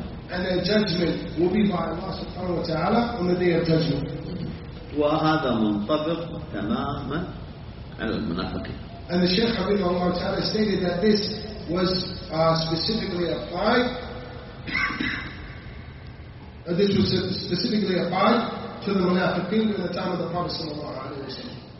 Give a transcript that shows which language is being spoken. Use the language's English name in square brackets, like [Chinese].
[English] And their judgment will be by Allah subhanahu wa ta'ala on the day of judgment. [Arabic] وهذا منطبق تماما على المنافقين. [English] And the Shaykh Habib Allah Ta'ala stated that this was specifically applied. This was specifically applied to the munafiqin in the time of the Prophet sallallahu alaihi wasallam.